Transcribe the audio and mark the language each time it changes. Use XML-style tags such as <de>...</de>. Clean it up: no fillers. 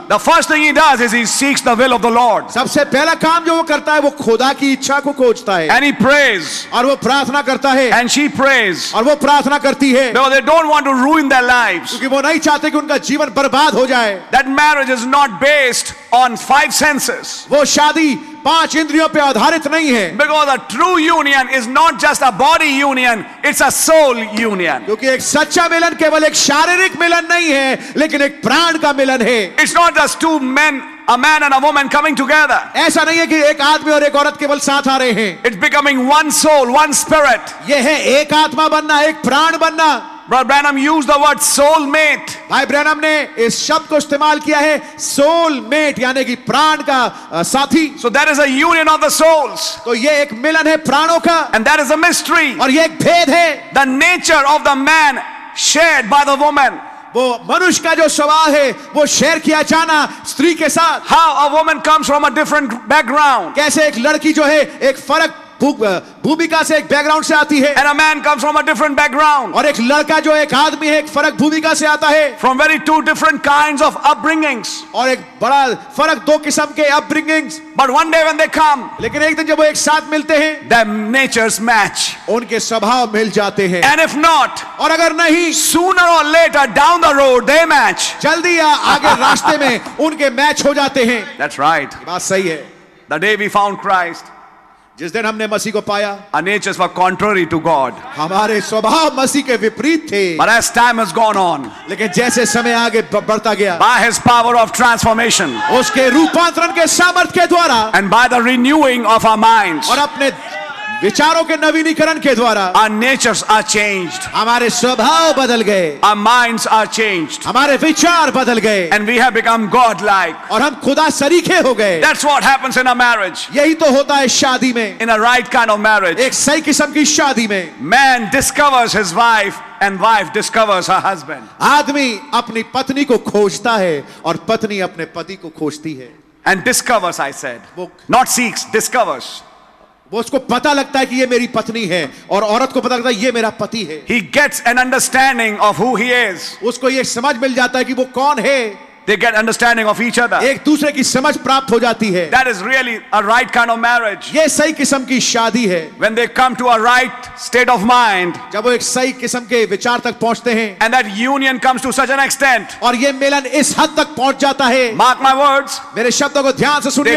<en>the first thing he does is he seeks the will of the Lord.</en> <hi>सबसे पहला काम जो वो करता है, वो खुदा की इच्छा को खोजता है.</hi> <en>And he prays.</en> <hi>और वो प्रार्थना करता है.</hi> <en>And she prays.</en> <hi>और वो प्रार्थना करती है.</hi> <en>Because they don't want to ruin their lives.</en> <hi>क्योंकि वो नहीं चाहते कि उनका जीवन बर्बाद हो जाए.</hi> <en>That marriage is not based on five senses.</en> <hi>वो शादी पांच इंद्रियों पे आधारित नहीं है.</hi> <en>Because a true union is not just a body union, it's a soul union.</en> <hi>क्योंकि एक सच्चा मिलन केवल एक शारीरिक मिलन नहीं है, लेकिन एक प्राण का मिलन है.</hi> <en>It's not just two men, a man and a woman coming together.</en> <hi>ऐसा नहीं है कि एक आदमी और एक औरत केवल साथ आ रहे हैं.</hi> <en>It's becoming one soul, one spirit.</en> <hi>ये है एक आत्मा बनना, एक प्राण बनना.</hi> <en>Brother Branham used the word soul mate.</en> <hi>भाई ब्रैनम ने इस शब्द को इस्तेमाल किया है, soul mate, यानी कि प्राण का साथी.</hi> <en>So that is a union of the souls.</en> <hi>तो ये एक मिलन है प्राणों का.</hi> <en>And that is a mystery.</en> <hi>और ये एक भेद है.</hi> <en>The nature of the man shared by the woman.</en> <hi>वो मनुष्य का जो स्वभाव है वो शेयर किया जाना स्त्री के साथ.</hi> <en>How a woman comes from a different background.</en> <hi>कैसे एक लड़की जो है एक फर्क भूमिका से, एक बैकग्राउंड से आती है.</hi> <en>And a man comes from a different background.</en> <hi>और एक लड़का जो एक आदमी है एक फर्क भूमिका से आता है.</hi> <en>From very two different kinds of upbringings.</en> <hi>और एक बड़ा फर्क दो किस्म के upbringings.</hi> <en>But one day when they come,</en> <hi>लेकिन एक दिन जब वो एक साथ मिलते हैं,</hi> <en>their natures match.</en> <hi>उनके स्वभाव मिल जाते हैं.</hi> <en>And if not,</en> <hi>और अगर नहीं,</hi> <en>sooner or later down the road they match.</en> <hi>जल्दी या आगे रास्ते में उनके मैच हो जाते हैं.</hi> <en>That's right.</en> <hi>बात सही है.</hi> <en>The day we found Christ,</en> <hi>जिस दिन हमने मसीह को पाया,</hi> <en>our natures were contrary to God.</en> <hi>हमारे स्वभाव मसीह के विपरीत थे.</hi> <en>But as time has gone on,</en> <hi>लेकिन जैसे समय आगे बढ़ता गया,</hi> <en>by His power of transformation,</en> <hi>उसके रूपांतरण के सामर्थ्य के द्वारा,</hi> <en>and by the renewing of our minds,</en> <hi>और अपने विचारों के नवीनीकरण के द्वारा,</hi> <en>our natures are changed.</en> <hi>हमारे स्वभाव बदल गए.</hi> <en>Our minds are changed.</en> <hi>हमारे विचार बदल गए.</hi> <en>And we have become God-like.</en> <hi>और हम खुदा सरीखे हो गए.</hi> <en>That's what happens in a marriage.</en> <hi>यही तो होता है शादी में.</hi> <en>In a right kind of marriage.</en> <hi>एक सही किस्म की शादी में.</hi> <en>Man discovers his wife and wife discovers her husband.</en> <hi>आदमी अपनी पत्नी को खोजता है और पत्नी अपने पति को खोजती है.</hi> <en>And discovers, I said. Not seeks, discovers.</en> <hi>वो उसको पता लगता है कि ये मेरी पत्नी है और औरत को पता लगता है ये मेरा पति है.</hi> <en>He gets an understanding of who he is.</en> <hi>उसको ये समझ मिल जाता है कि वो कौन है.</hi> <en>They get understanding of each other.</en> <hi>एक दूसरे की समझ प्राप्त हो जाती है.</hi> <en>That is really a right kind of marriage.</en> <hi>ये सही किस्म की शादी है.</hi> <en>When they come to a right state of mind.</en> <hi>जब वो एक सही किस्म के विचार तक पहुँचते हैं.</hi> <en>And that union comes to such an extent.</en> <hi>और ये मिलन इस हद तक पहुँच जाता है.</hi> <en>Mark my words.</en> <hi>मेरे शब्दों को ध्यान से सुनिए.</hi>